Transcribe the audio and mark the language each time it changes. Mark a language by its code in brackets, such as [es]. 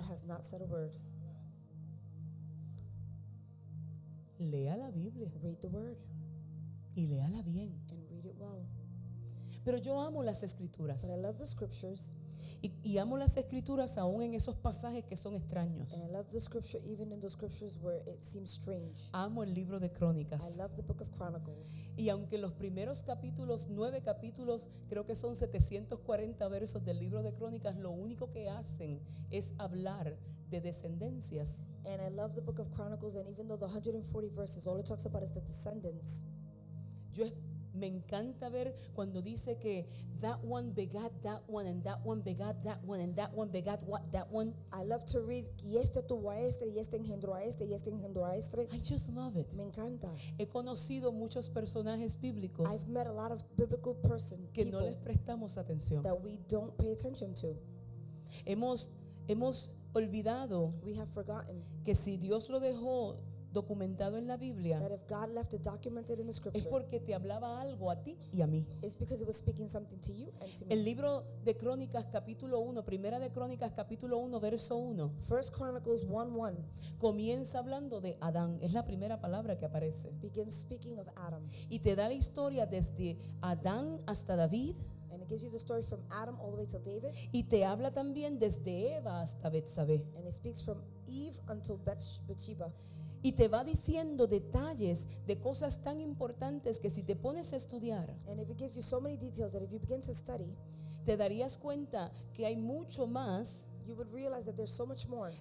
[en] God has not said a word. [es] Lea la Biblia. [en] Read the word. [es] Y léala bien. [en] And read it well. [es] Pero yo amo las escrituras. [en] But I love the scriptures. [es] Y amo las escrituras aún en esos pasajes que son extraños. [en] And I love the scripture even in the scriptures where it seems strange. [es] Amo el libro de Crónicas. [en] I love the book of Chronicles. [es] Y aunque los primeros capítulos, 9 capítulos, creo que son 740 versos del libro de Crónicas, lo único que hacen es hablar de descendencias. [en] And I love the book of Chronicles and even though the 140 verses all it talks about is the descendants. [es] Me encanta ver cuando dice que [en] that one begat that one and that one begat that one and that one begat what that one. I love to read [es] y este tuvo a este y este engendró a este y este engendró a este. [en] I just love it. [es] Me encanta. He conocido muchos personajes bíblicos. [en] I've met a lot of biblical person [es] que no les prestamos atención. [en] That we don't pay attention to. [es] Hemos olvidado. [en] We have forgotten. [es] Que si Dios lo dejó documentado en la Biblia, [en] that if God left it documented in the scripture, [es] es porque te hablaba algo a ti y a mí. [en] It's because it was speaking something to you and to me. [es] El libro de Crónicas capítulo 1, primera de Crónicas capítulo 1 verso 1. [en] First Chronicles 1:1. [es] Comienza hablando de Adán, es la primera palabra que aparece. [en] Begins speaking of Adam. [es] Y te da la historia desde Adán hasta David. [en] And it gives you the story from Adam all the way to David. [es] Y te habla también desde Eva hasta Betsabé. [en] And it speaks from Eve until Bathsheba. [es] Y te va diciendo detalles de cosas tan importantes que si te pones a estudiar, [en] and if it gives you so many details that if you begin to study, [es] te darías cuenta que hay mucho más, [en] you would realize that there's so much more,